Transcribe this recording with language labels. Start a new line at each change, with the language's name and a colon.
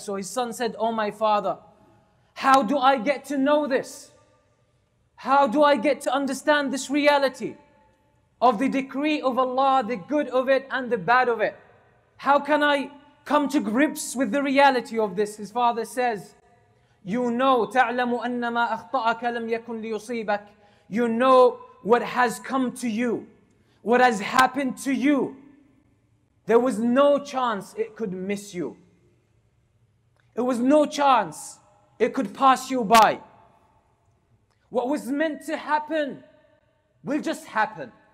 English: So his son said, Oh my father, how do I get to know this? How do I get to understand this reality of the decree of Allah, the good of it and the bad of it? How can I come to grips with the reality of this? His father says, you know,
Arabic: تَعْلَمُ أَنَّمَا أَخْطَأَكَ لَمْ يَكُنْ لِيُصِيبَكَ.
English: You know what has come to you, what has happened to you. There was no chance it could miss you. It was no chance it could pass you by. What was meant to happen will just happen.